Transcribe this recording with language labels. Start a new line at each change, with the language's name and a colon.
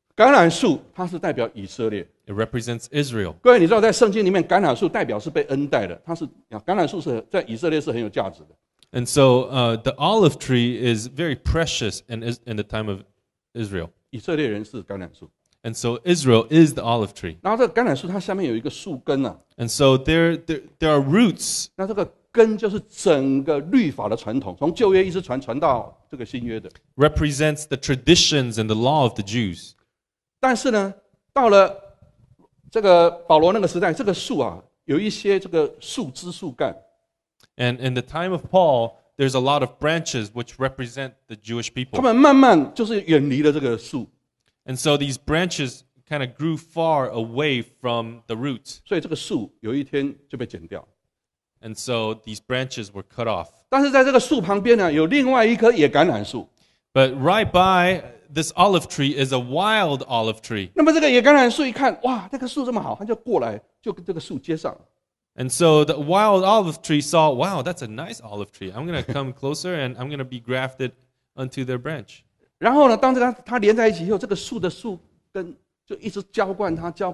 Chinese: 橄榄树，它是代表以色列。
English: It represents Israel.
Chinese: 各位，你知道在圣经里面，橄榄树代表是被恩待的。它是橄榄树是在以色列是很有价值的。
English: And so, the olive tree is very precious in the time of Israel.
Chinese: 以色列人是橄榄树。
English: And so Israel is the olive tree.
Chinese: 然后这个橄榄树它下面有一个树根啊。
English: And so there are roots.
Chinese: 那这个根就是整个律法的传统, 从旧约一直传到这个新约的。
English: Represents the traditions and the law of the Jews.
Chinese: 但是呢, 到了这个保罗那个时代, 这个树啊, 有一些这个树枝树干。
English: And in the time of Paul, there's a lot of branches which represent the Jewish people.
Chinese: 他们慢慢就是远离了这个树。
English: And so these branches kind of grew far away from the roots.
Chinese: 所以这个树有一天就被剪掉。
English: And so these branches were cut off.
Chinese: 但是在这个树旁边呢, 有另外一棵野橄榄树。
English: But right by this olive tree is a wild olive tree.
Chinese: 那么这个野橄榄树一看, 哇, 这个树这么好, 它就过来, 就跟这个树接上。
English: And so the wild olive tree saw, wow, that's a nice olive tree. I'm going to come closer and I'm going to be grafted onto their branch.
Chinese: 然后呢, 当这个它连在一起以后, 这个树的树根就一直浇灌它。